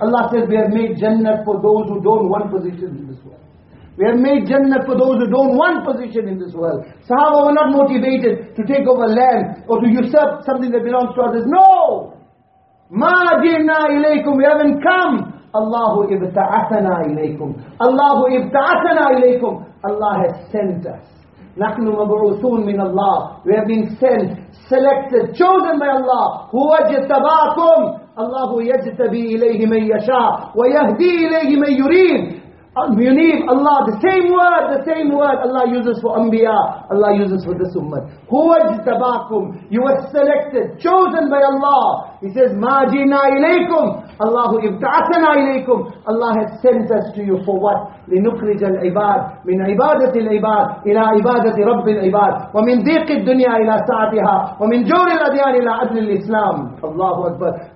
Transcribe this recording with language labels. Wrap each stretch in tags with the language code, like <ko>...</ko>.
<en>Allah says, we have made Jannah for those who don't want position in this world. We have made Jannah for those who don't want position in this world. Sahaba were not motivated to take over land or to usurp something that belongs to others. No!</en> <ar>مَا جِئْنَا إِلَيْكُمْ,</ar> <en>we haven't come.</en> <ar>اللَّهُ إِبْتَعَثَنَا إِلَيْكُمْ, اللَّهُ إِبْتَعَثَنَا إِلَيْكُمْ,</ar> <en>Allah has sent us.</en> <ar>نَحْنُ مَبْعُثُونَ مِنَ اللَّهِ,</ar> <en>we have been sent, selected, chosen by Allah.</en> <ar>هُوَ جَتَبَاكُمْ, اللَّهُ يَجْتَبِي إِلَيْهِ مَنْ يَشَاءُ وَيَهْدِي إِلَيْهِ مَنْ يُرِيدُ. يُنِيبُ,</ar> <en>Allah, the same word Allah uses for Anbiya, Allah uses for this ummah.</en> <ar>هُوَ جَتَبَاكُمْ,</ar> <en>you were selected, chosen by Allah. He says,</en> <ar>مَا جِنَا إِلَيْكُمْ, اللَّهُ إِبْتَعَثَنَا إِلَيْكُمْ,</ar> <en>Allah has sent us to you for what?</en> <ar>لنخرج العباد من عبادة العباد إلى عبادة رب العباد ومن ضيق الدنيا إلى سعتها ومن جور الأديان إلى عدل الإسلام. الله أكبر.</ar>